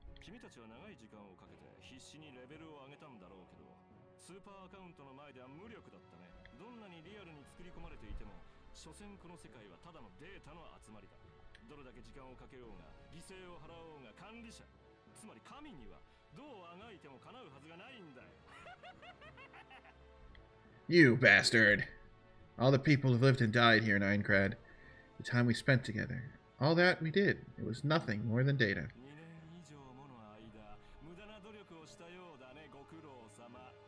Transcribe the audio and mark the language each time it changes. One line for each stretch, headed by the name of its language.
Japanese: 君たちは長い時間をかけて必死にレベルを上げたんだろうけど、スーパーアカウントの前では無力だったね。どんなにリアルに作り込まれていても。所詮この世界はただのデータの集まりだ。どれだけ時間をかけようが犠牲を払おうが管理者つまり神にはどうあがいてもかなうはずがないんだよ。
English: You bastard. All the people who lived and died here in Aincrad. The time we spent together. All that we did. It was nothing more than data.
Japanese: 2年以上もの間無駄な努力をしたようだね、ご苦労様。